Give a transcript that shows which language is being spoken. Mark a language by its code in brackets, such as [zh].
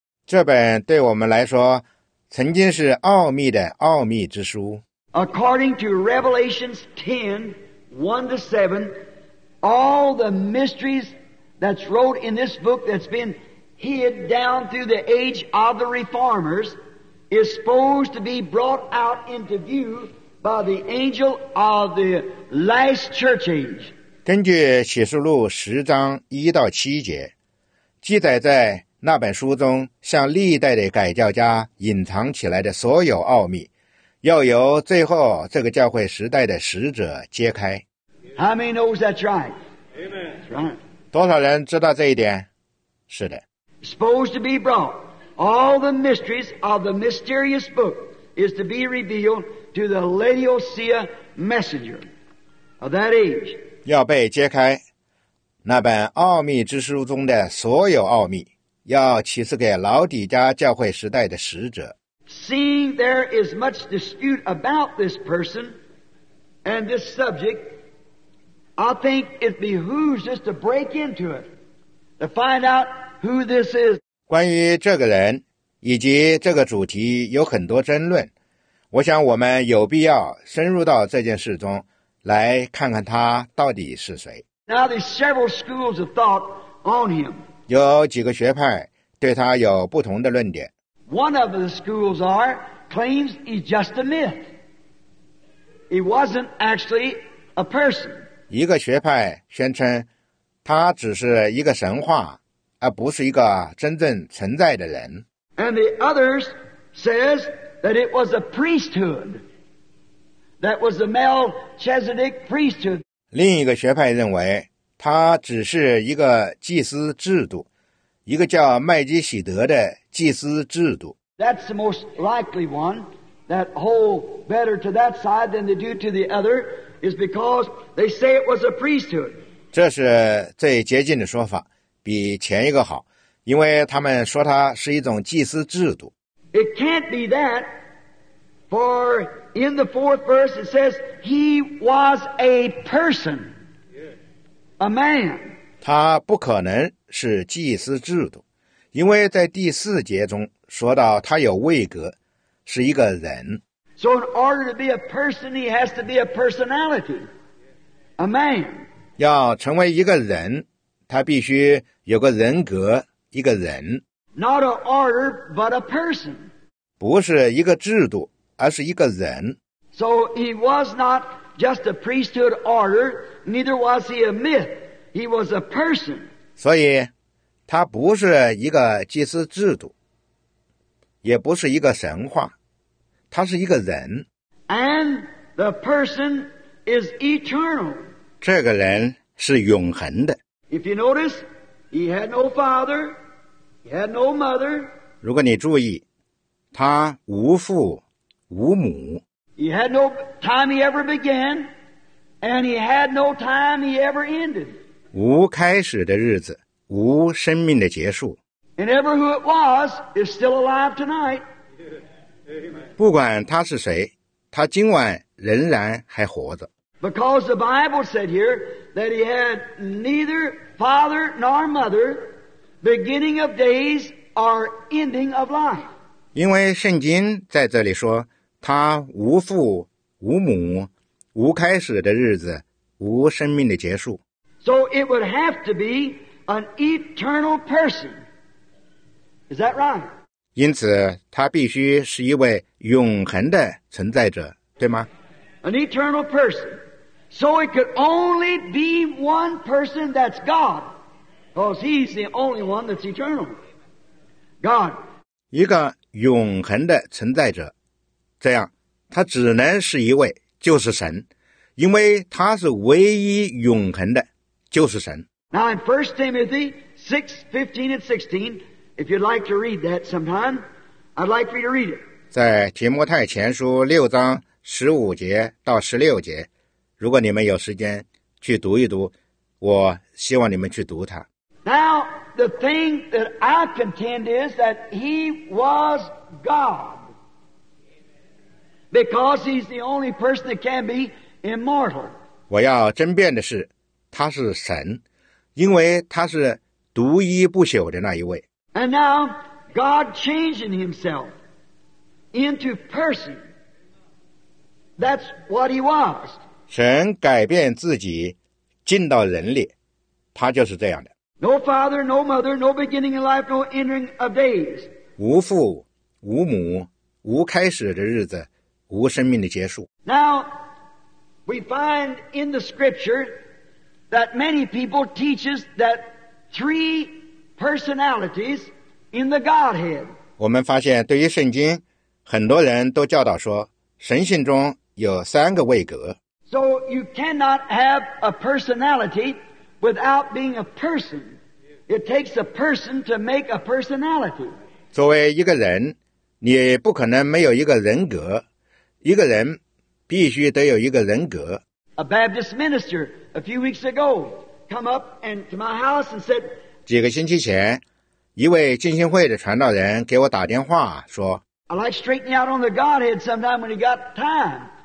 [zh] 这本对我们来说曾经是奥秘的奥秘之书， [en] according to Revelations 10:1-7, all the mysteries that's wrote in this book that's been hid down through the age of the reformers is supposed to be brought out into view by the angel of the last church age. [zh] 根据启示录10:1-7，记载在那本书中向历代的改教家隐藏起来的所有奥秘，要由最后这个教会时代的使者揭开。 [en] How many knows that's right? Amen. That's right. [zh] 多少人知道这一点？是的。 [en] Supposed to be brought. All the mysteries of the mysterious book is to be revealed to the Laodicea messenger of that age. [zh] 要被揭开，那本奥秘之书中的所有奥秘，要启示给老底家教会时代的使者。 [en] Seeing there is much dispute about this person and this subject, I think it behooves us to break into it to find out who this is. [zh] 关于这个人以及这个主题有很多争论，我想我们有必要深入到这件事中来看看他到底是谁。 [en] Now there's several schools of thought on him. [zh] 有几个学派对他有不同的论点。 [en] One of the schools are claims he's just a myth. He wasn't actually a person. [zh] 一个学派宣称他只是一个神话，而不是一个真正存在的人。 [en] And the others says that it was a priesthood. That was the Melchizedek priesthood. [zh] 另一个学派认为他只是一个祭司制度，一个叫麦基洗德的祭司制度。 [en] That's the most likely one that hold better to that side than they do to the other is because they say it was a priesthood. [zh] 这是最接近的说法，比前一个好，因为他们说他是一种祭司制度。 [en] It can't be that, for In the fourth verse it says, He was a person. A man. [zh] 他不可能是祭司制度，因为在第四节中说到他有位格，是一个人。 [en] So in order to be a person, he has to be a personality. A man. [zh] 要成为一个人，他必须有个人格，一个人。 [en] Not an order, but a person. [zh] 不是一个制度，而是一个人。 [en] So he was not just a priesthood order, neither was he a myth. He was a person. [zh] 所以，他不是一个祭司制度，也不是一个神话，他是一个人。 [en] And the person is eternal. [zh] 这个人是永恒的。 [en] If you notice, he had no father, he had no mother. [zh] 如果你注意，他无父无母。 [en] He had no time he ever began, and he had no time he ever ended. [zh] 无开始的日子，无生命的结束。 [en] And ever who it was is still alive tonight. [zh] 不管他是谁，他今晚仍然还活着。 [en] Because the Bible said here that he had neither father nor mother, beginning of days or ending of life. [zh] 因为圣经在这里说，他无父无母，无开始的日子，无生命的结束。 [en] So it would have to be an eternal person. Is that right? [zh] 因此，他必须是一位永恒的存在者，对吗？ [en] An eternal person. So it could only be one person, that's God. Because He's the only one that's eternal. God. [zh] 一个永恒的存在者，这样，他只能是一位，就是神。因为他是唯一永恒的，就是神。 [en] Now in 1 Timothy 6:15 and 16, if you'd like to read that sometime, I'd like for you to read it. [zh] 在提摩太前书六章十五节到十六节，如果你们有时间去读一读，我希望你们去读它。 [en] Now, the thing that I contend is that he was God. Because he's the only person that can be immortal. [zh] 我要争辩的是，他是神，因为他是独一不朽的那一位。 [en] And now, God changing himself into person. That's what he was. [zh] 神改变自己进到人里，他就是这样的。 [en] No father, no mother, no beginning in life, no ending of days. [zh] 无父无母，无开始的日子，无生命的结束。 [en] Now, we find in the scripture that many people teaches that three personalities in the Godhead. [zh] 我们发现对于圣经，很多人都教导说，神性中有三个位格。 [en] So you cannot have a personality without being a person. It takes a person to make a personality. [zh] 作为一个人，你不可能没有一个人格。一个人必须得有一个人格。 [en] A Baptist minister a few weeks ago come up and to my house and said, [zh] 几个星期前，一位浸信会的传道人给我打电话说， [en] I like straightening out on the Godhead sometime when you got time.